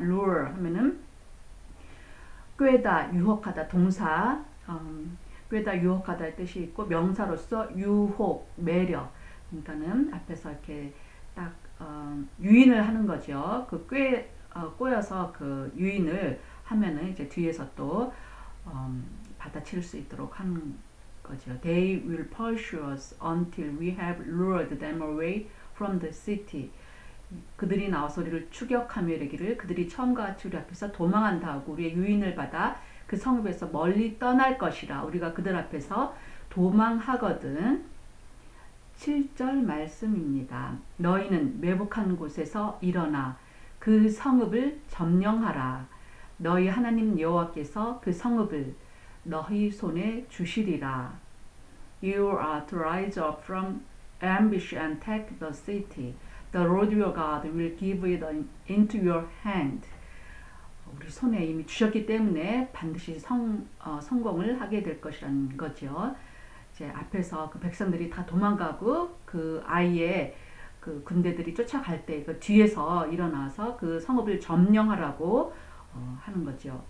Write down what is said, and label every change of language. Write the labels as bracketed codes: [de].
[ko] Lure 하면은 꾀다, 유혹하다, 동사 꾀다, 유혹하다의 뜻이 있고 명사로서 유혹, 매력. 그러니까는 앞에서 이렇게 딱 유인을 하는 거죠. 그 꼬여서 그 유인을 하면은 이제 뒤에서 또 받아칠 수 있도록 하는 거죠. [en] They will pursue us until we have lured them away from the city. [ko] 그들이 나와서 우리를 추격하며 이르기를 그들이 처음과 같이 우리 앞에서 도망한다 하고 우리의 유인을 받아 그 성읍에서 멀리 떠날 것이라. 우리가 그들 앞에서 도망하거든. 7절 말씀입니다. 너희는 매복한 곳에서 일어나 그 성읍을 점령하라. 너희 하나님 여호와께서 그 성읍을 너희 손에 주시리라. [en] You are to rise up from ambush and take the city. The Lord your God will give it into your hand. [ko] 우리 손에 이미 주셨기 때문에 반드시 성공을 하게 될 것이라는 거죠. 이제 앞에서 그 백성들이 다 도망가고 그 아이의 그 군대들이 쫓아갈 때 그 뒤에서 일어나서 그 성읍을 점령하라고 하는 거죠.